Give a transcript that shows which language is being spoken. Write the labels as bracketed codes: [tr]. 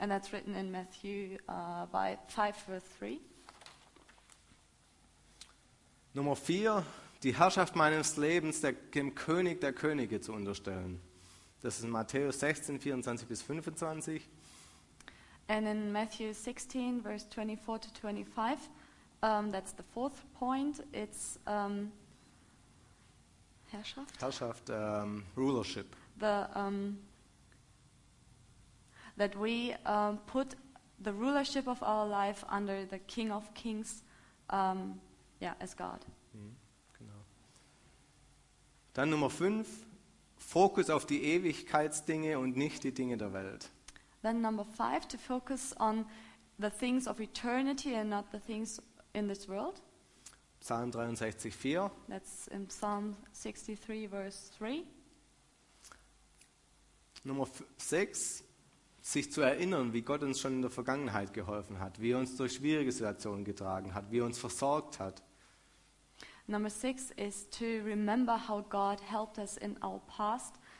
[en] And that's written in Matthew by 5:3. [de] Nummer 4. Die Herrschaft meines Lebens dem König der Könige zu unterstellen. Das ist in Matthäus 16, 24 bis 25. [en] And in Matthew 16, verse 24 to 25, that's the fourth point, it's Herrschaft. [de] Herrschaft, rulership. [en] The, that we put the rulership of our life under the King of Kings, as God. [de] Dann Nummer 5, Fokus auf die Ewigkeitsdinge und nicht die Dinge der Welt. [en] Then number 5, to focus on the things of eternity and not the things in this world. [de] Psalm 63:4. [en] That's in Psalm 63, verse 3. [de] Nummer 6, sich zu erinnern, wie Gott uns schon in der Vergangenheit geholfen hat, wie er uns durch schwierige Situationen getragen hat, wie er uns versorgt hat. [en] Number 6 is to remember how God helped us in our past.